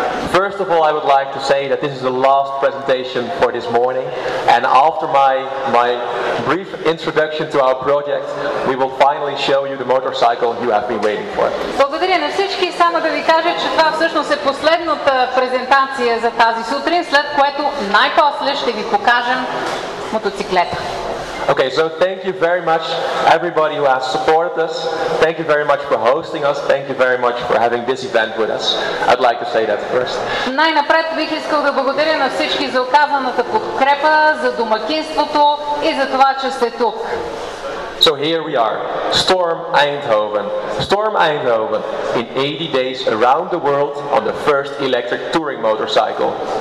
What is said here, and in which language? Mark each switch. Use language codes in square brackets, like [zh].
[en] First of all, I would like to say that this is the last presentation for this morning, and after my brief introduction to our project, we will finally show you the motorcycle you have been waiting for. [bg] Благодаря на всички. Само да ви кажа, че това всъщност е последната презентация за тази сутрин, след което най-после ще ви покажем мотоциклета. [en] Okay, so thank you very much everybody who has supported us. Thank you very much for hosting us. Thank you very much for having this event with us. I'd like to say that first. [bg] Най-напред бих искал да благодаря на всички за оказаната подкрепа, за домакинството и за това, че сте тук. [en] So here we are, Storm Eindhoven. Storm Eindhoven, in 80 days around the world on the first electric touring motorcycle.